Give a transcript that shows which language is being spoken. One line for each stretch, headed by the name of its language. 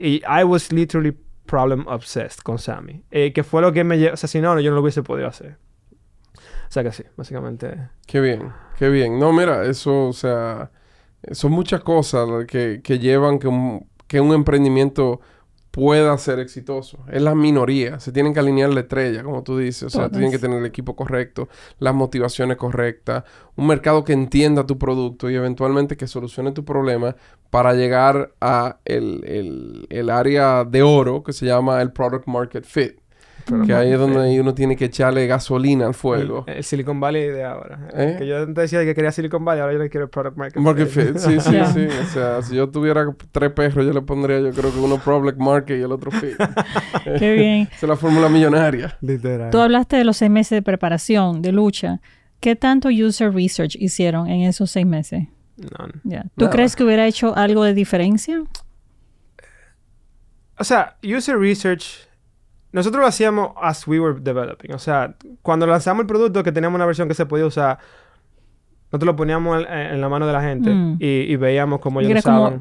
English: Y I was literally problem obsessed con Sammy.
Spanish: Que fue lo que me llevó... O sea, si no, yo no lo hubiese podido hacer. O sea que sí, básicamente... Qué bien, qué bien. No, mira, eso, o sea... Son muchas cosas que llevan que un emprendimiento pueda ser exitoso. Es la minoría. Se tienen que alinear la estrella, como tú dices. O sea, tienen que tener el equipo correcto, las motivaciones correctas, un mercado que entienda tu producto y eventualmente que solucione tu problema para llegar a el área de oro que se llama el Product Market Fit. Pero que ahí es donde uno tiene que echarle gasolina al fuego. El Silicon Valley de ahora. ¿Eh? Que yo antes decía que quería Silicon Valley, ahora yo le quiero el Product Market Fit. Market Fit, sí, sí, sí. O sea, si yo tuviera 3 perros, yo le pondría, yo creo que uno Product Market y el otro Fit. ¡Qué bien! Esa es la fórmula millonaria. Literal. Tú hablaste de los 6 meses de preparación, de lucha. ¿Qué tanto user research hicieron en esos 6 meses?
English: None. Yeah.
Spanish: ¿Tú crees que hubiera hecho algo de diferencia? O sea, user research... Nosotros lo hacíamos
English: as we were developing.
Spanish: O sea, cuando lanzamos el producto, que teníamos una versión que se podía usar, nosotros lo poníamos en la mano de la gente y veíamos cómo ellos usaban.